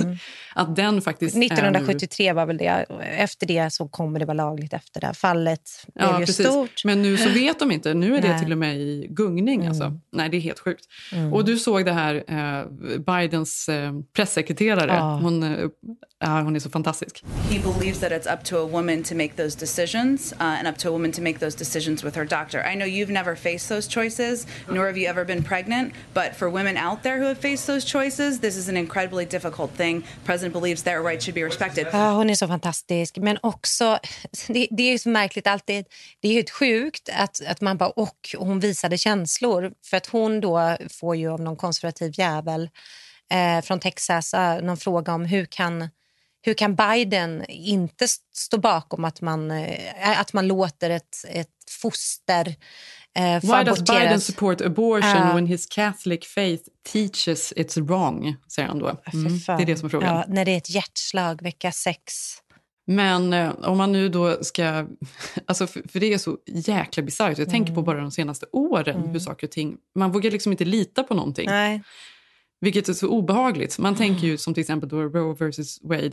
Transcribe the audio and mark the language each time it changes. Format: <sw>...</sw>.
<sv>Mm. Att den faktiskt 1973 är nu... var väl det. Efter det så kommer det vara lagligt efter det här fallet. Ja, ju precis. Stort. Men nu så vet de inte. Nu är det till och med i gungning. Mm. Alltså. Nej, det är helt sjukt. Mm. Och du såg det här Bidens presssekreterare. Oh. Hon är så fantastisk.</sv> <en>He believes that it's up to a woman to make those decisions and up to a woman to make those decisions with her doctor. I know you've never faced those choices, nor have you ever been pregnant, but for women out there who have faced those choices, this is an incredibly difficult thing. President believes their rights should be respected.</en> <sv>Ja, hon är så fantastisk, men också det är ju så märkligt alltid. Det är ju sjukt att man bara och hon visade känslor, för att hon då får ju av någon konservativ jävel från Texas någon fråga om hur kan Biden inte stå bakom att man låter ett foster</sv> <en>Why does Biden support abortion when his Catholic faith teaches it's wrong,</en> <sv>säger han då. Mm. Det är det som är frågan. Ja, när det är ett hjärtslag vecka 6. Men om man nu då ska... Alltså, för det är så jäkla bizarrt. Jag tänker på bara de senaste åren, hur saker och ting... Man vågar liksom inte lita på någonting. Nej. Vilket är så obehagligt. Man tänker ju som till exempel då Roe versus Wade.</sv>